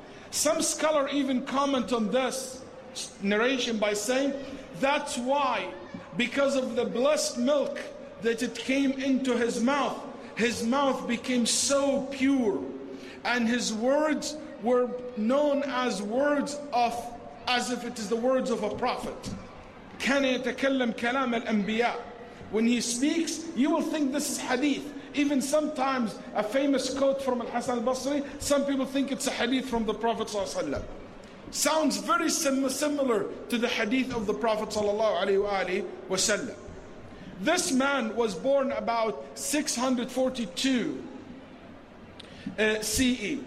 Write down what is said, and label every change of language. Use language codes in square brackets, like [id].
[en] Some scholar even comment on this narration by saying, that's why, because of the blessed milk that it came into his mouth became so pure. And his words were known as words of, as if it is the words of a prophet. [ar] كان يتكلم كلام الأنبياء. [en] When he speaks, you will think this is hadith. Even sometimes, a famous quote from Al-Hasan al-Basri, some people think it's a hadith from the Prophet ﷺ. Sounds very similar to the hadith of the Prophet ﷺ. This man was born about 642 CE.